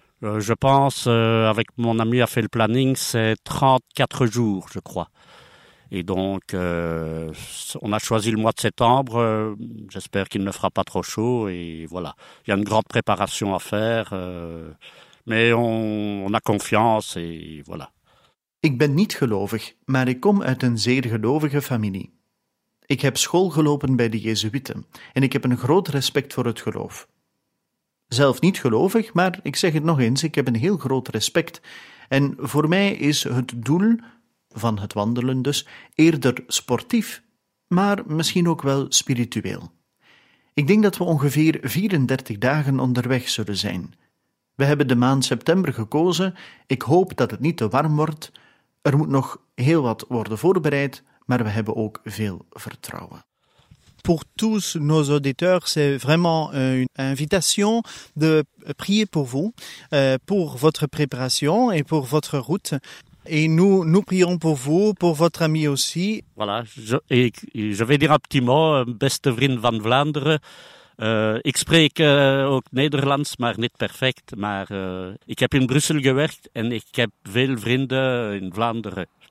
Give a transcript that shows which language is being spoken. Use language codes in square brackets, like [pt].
[fr] Je pense, avec mon ami a fait le planning, c'est 34 jours, je crois. Et donc, on a choisi le mois de septembre. J'espère qu'il ne fera pas trop chaud. Et voilà, il y a une grande préparation à faire. Mais on a confiance et voilà. [nl] Ik ben niet gelovig, maar ik kom uit een zeer gelovige familie. Ik heb school gelopen bij de Jezuïten en ik heb een groot respect voor het geloof. Zelf niet gelovig, maar ik zeg het nog eens, ik heb een heel groot respect. En voor mij is het doel van het wandelen dus, eerder sportief, maar misschien ook wel spiritueel. Ik denk dat we ongeveer 34 dagen onderweg zullen zijn. We hebben de maand september gekozen, ik hoop dat het niet te warm wordt, er moet nog heel wat worden voorbereid, maar we hebben ook veel vertrouwen. [fr] Pour tous nos auditeurs, c'est vraiment une invitation de prier pour vous, pour votre préparation et pour votre route. Et nous prions pour vous, pour votre ami aussi. Voilà, je vais dire un petit mot, [nl] beste vriend van Vlaanderen. Ik spreek ook Nederlands, maar niet perfect. Maar ik heb in Brussel gewerkt en ik heb veel vrienden in Vlaanderen.